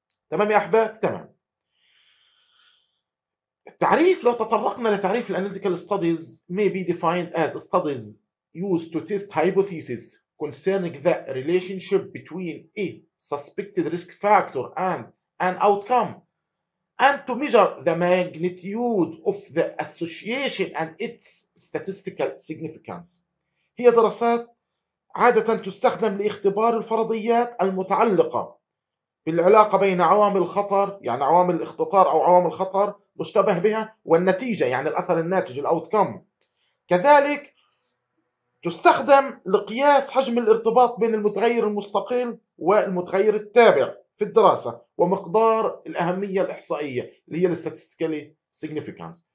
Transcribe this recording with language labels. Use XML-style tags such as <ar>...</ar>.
<ar>تمام يا احباب؟ تمام. التعريف، لو تطرقنا لتعريف</ar> <en>الاناليتيكال studies, may be defined as studies use to test hypotheses concerning the relationship between a suspected risk factor and an outcome. and to measure the magnitude of the association and its statistical significance.</en> <ar>هي دراسات عادة تستخدم لاختبار الفرضيات المتعلقة بالعلاقة بين عوامل الخطر، يعني عوامل الاختطار أو عوامل الخطر مشتبه بها، والنتيجة يعني الأثر الناتج الأوتكم. كذلك تستخدم لقياس حجم الارتباط بين المتغير المستقل والمتغير التابع في الدراسة، ومقدار الأهمية الإحصائية اللي هي الاستاتستيكال سيجنيفيكانس.</ar>